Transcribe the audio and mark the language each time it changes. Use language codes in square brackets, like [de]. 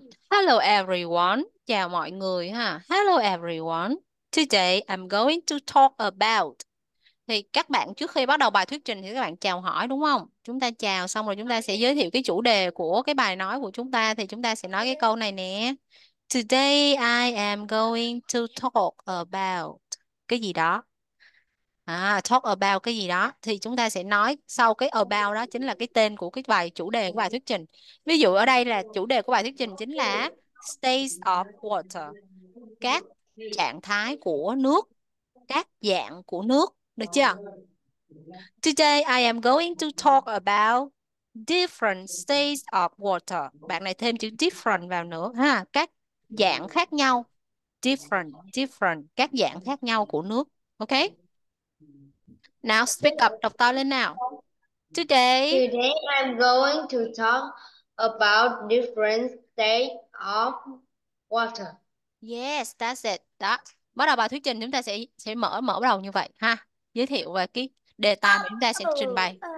[en] Hello everyone. [vi] Chào mọi người ha. [en] Hello everyone. Today I'm going to talk about. [vi] Thì các bạn trước khi bắt đầu bài thuyết trình thì các bạn chào hỏi đúng không? Chúng ta chào xong rồi chúng ta sẽ giới thiệu cái chủ đề của cái bài nói của chúng ta. Thì chúng ta sẽ nói cái câu này nè. [en] Today I am going to talk about [vi] cái gì đó. [en] Talk about [vi] cái gì đó. Thì chúng ta sẽ nói sau cái about đó chính là cái tên của cái bài chủ đề của bài thuyết trình. Ví dụ ở đây là chủ đề của bài thuyết trình chính là States of Water. Các trạng thái của nước. Các dạng của nước. Được chưa? [en] Today am going to talk about different states of water. [vi] Bạn này thêm chữ different vào nữa ha. Các dạng khác nhau. [en] Different, different. [vi] Các dạng khác nhau của nước. [en] Ok? Now speak up, [vi] đọc to lên nào. [en] Today. Today I'm going to talk about different states of water. Yes, that's it. Đó. [vi] Bắt đầu bài thuyết trình chúng ta sẽ mở mở đầu như vậy ha. Giới thiệu về cái đề tài mà chúng ta sẽ trình bày.